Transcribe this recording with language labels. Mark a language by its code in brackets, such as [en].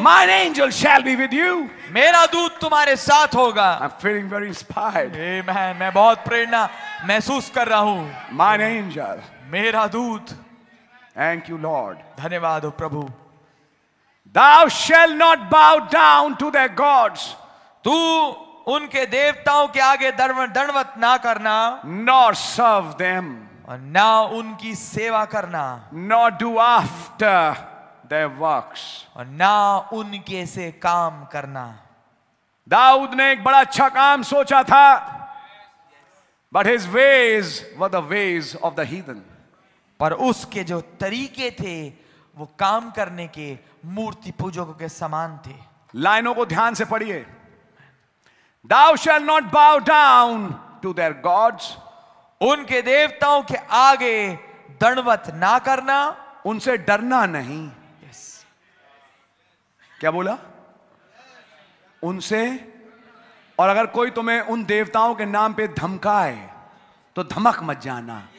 [en] My angel shall be with you. [hi] मेरा दूत तुम्हारे साथ होगा. [en] I'm feeling very inspired. Amen. [hi] मैं बहुत प्रेरणा महसूस कर रहा हूँ. [en] My angel. [hi] मेरा दूत. [en] Thank you, Lord. [hi] धन्यवाद हो प्रभु. [en] Thou shall not bow down to their gods. [hi] तू उनके देवताओं के आगे दंडवत ना करना. [en] Nor serve them. [hi] और ना उनकी सेवा करना. [en] Nor do after. Their works. [hi] और ना उनके से काम करना. दाऊद ने एक बड़ा अच्छा काम सोचा था. [en] But his ways were the ways of the heathen. [hi] पर उसके जो तरीके थे वो काम करने के मूर्ति पूजकों के समान थे. लाइनों को ध्यान से पढ़िए. [en] Thou shall not bow down to their gods. [hi] उनके देवताओं के आगे दंडवत ना करना. उनसे डरना नहीं. क्या बोला? उनसे. और अगर कोई तुम्हें उन देवताओं के नाम पे धमकाए तो धमक मत जाना.